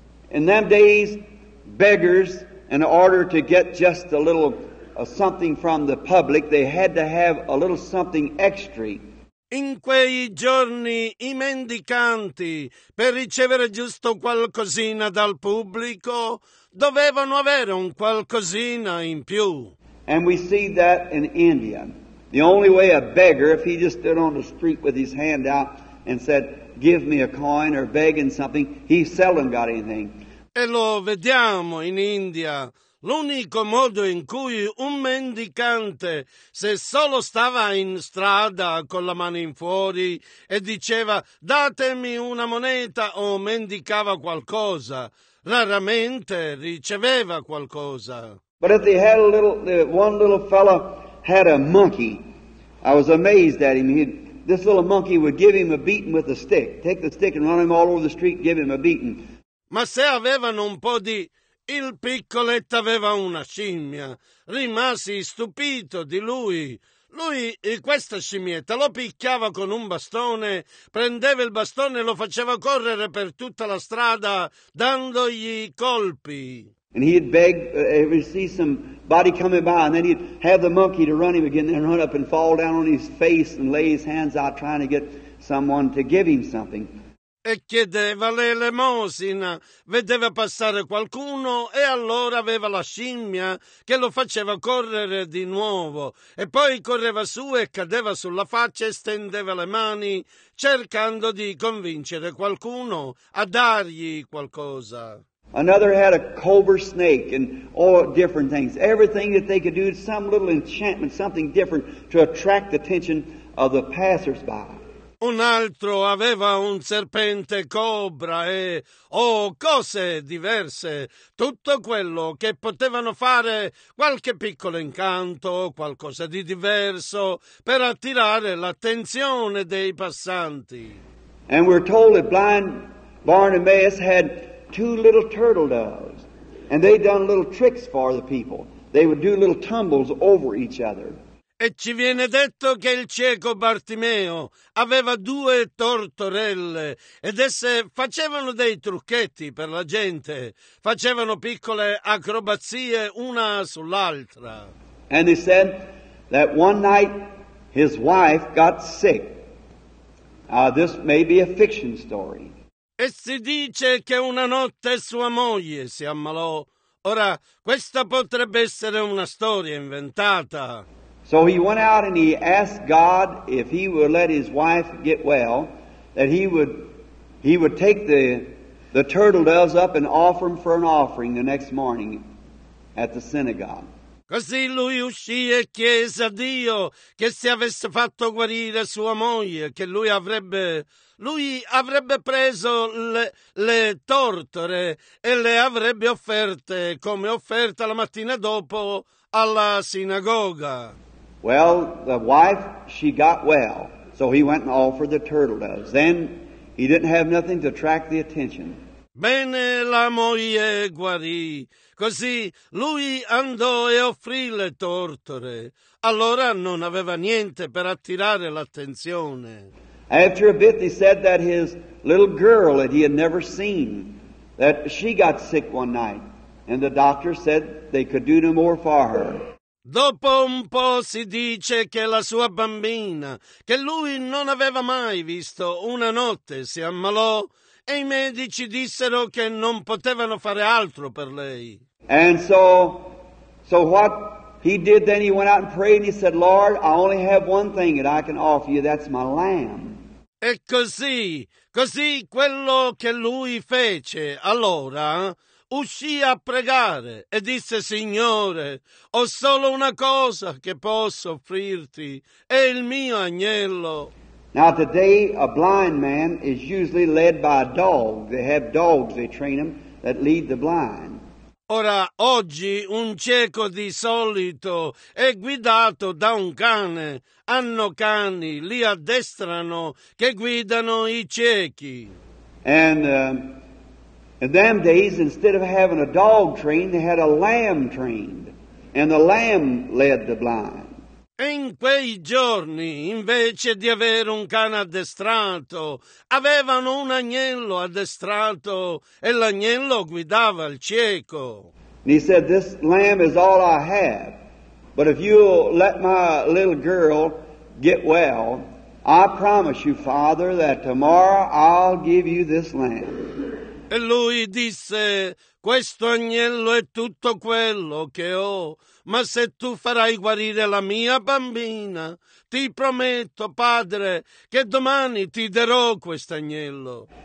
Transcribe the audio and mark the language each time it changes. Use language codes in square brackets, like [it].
[en] In them days, beggars, in order to get just a little something from the public, they had to have a little something extra. [it] In quei giorni i mendicanti, per ricevere giusto qualcosina dal pubblico, dovevano avere un qualcosina in più. [en] And we see that in India. The only way a beggar, if he just stood on the street with his hand out and said, give me a coin or begging something, he seldom got anything. [it] E lo vediamo in India. L'unico modo in cui un mendicante, se solo stava in strada con la mano in fuori e diceva datemi una moneta o mendicava qualcosa, raramente riceveva qualcosa. [en] But if they had a little, one little fella had a monkey, I was amazed at him. This little monkey would give him a beating with a stick, take the stick and run him all over the street, give him a beating. [it] Ma se avevano un po' di... Il piccoletto aveva una scimmia. Rimasi stupito di lui. Lui, questa scimmietta, lo picchiava con un bastone, prendeva il bastone e lo faceva correre per tutta la strada, dandogli i colpi. [en] And he'd beg, he'd see somebody coming by, and then he'd have the monkey to run him again, and run up and fall down on his face and lay his hands out trying to get someone to give him something. [it] E chiedeva l'elemosina, vedeva passare qualcuno e allora aveva la scimmia che lo faceva correre di nuovo e poi correva su e cadeva sulla faccia e stendeva le mani cercando di convincere qualcuno a dargli qualcosa. [en] Another had a cobra snake and all different things, everything that they could do, some little enchantment, something different to attract the attention of the passersby. [it] Un altro aveva un serpente cobra e cose diverse, tutto quello che potevano fare, qualche piccolo incanto, qualcosa di diverso per attirare l'attenzione dei passanti. [en] And we're told that blind Bartimaeus had two little turtle doves and they done little tricks for the people. They would do little tumbles over each other. [it] E ci viene detto che il cieco Bartimeo aveva due tortorelle ed esse facevano dei trucchetti per la gente, facevano piccole acrobazie una sull'altra. [en] And he said that one night his wife got sick. This may be a fiction story. [it] E si dice che una notte sua moglie si ammalò. Ora, questa potrebbe essere una storia inventata. [en] So he went out and he asked God if he would let his wife get well, that he would take the turtle doves up and offer them for an offering the next morning at the synagogue. [it] Così lui uscì e chiese a Dio che se avesse fatto guarire sua moglie, che lui avrebbe preso le tortore e le avrebbe offerte come offerta la mattina dopo alla sinagoga. [en] Well, the wife, she got well, so he went and offered the turtle doves. Then he didn't have nothing to attract the attention. [it] Bene, la moglie guarì. Così lui andò e offrì le tortore. Allora non aveva niente per attirare l'attenzione. [en] After a bit, he said that his little girl that he had never seen, that she got sick one night, and the doctor said they could do no more for her. [it] Dopo un po' si dice che la sua bambina, che lui non aveva mai visto, una notte si ammalò e i medici dissero che non potevano fare altro per lei. [en] And so what he did then, he went out and prayed and he said, Lord, I only have one thing that I can offer you, that's my lamb. [it] E così quello che lui fece allora... uscì a pregare e disse: Signore, ho solo una cosa che posso offrirti, è il mio agnello. [en] Now today a blind man is usually led by a dog. They have dogs, they train them, that lead the blind. [it] Ora, oggi un cieco di solito è guidato da un cane. Hanno cani, li addestrano, che guidano i ciechi. [en] And in them days, instead of having a dog trained, they had a lamb trained. And the lamb led the blind. [it] E in quei giorni, invece di avere un cane addestrato, avevano un agnello addestrato e l'agnello guidava il cieco. [en] And he said, this lamb is all I have, but if you'll let my little girl get well, I promise you, Father, that tomorrow I'll give you this lamb. [it] E lui disse, questo agnello è tutto quello che ho, ma se tu farai guarire la mia bambina, ti prometto, padre, che domani ti darò quest'agnello.